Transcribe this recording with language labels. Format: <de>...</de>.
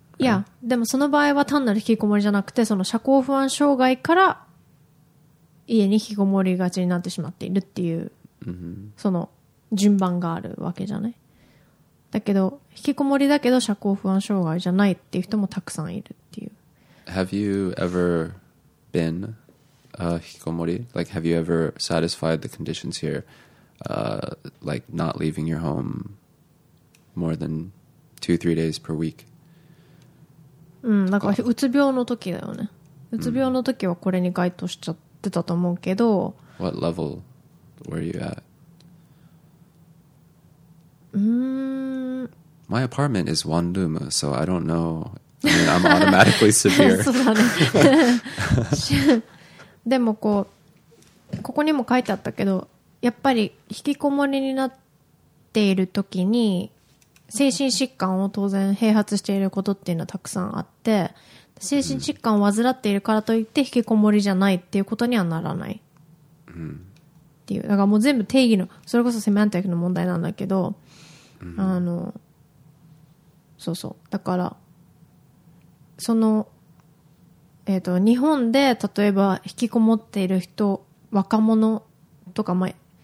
<ja>いや、でもその場合は単なる引きこもりじゃなくて、その社交不安障害から家に引きこもりがちになってしまっているっていう、 mm-hmm. その順番があるわけじゃない。だけど引きこもりだけど社交不安障害じゃないっていう人もたくさんいるっていう。</ja> <en>Have you ever been a 引きこもり? Like have you ever satisfied the conditions here? Like not leaving your home more than 2-3 days per week?</en> <ja>うん、なんかうつ病の時だよね。うつ病の時はこれに該当しちゃって出たと思うけど。</ja> <en>What level were you at? My apartment is one room, so I don't know. I mean, I'm automatically severe.</en> <ja>そうだね。でもこう、ここにも書いてあったけど、やっぱり引きこもりになっている時に精神疾患を当然併発していることっていうのはたくさんあって。精神疾患を患っているからといって引きこもりじゃないっていうことにはならないっていう、だからもう全部定義の、それこそセメンティックの問題なんだけど、あのそうそう、だからその日本で例えば引きこもっている人、若者とか、何</ja>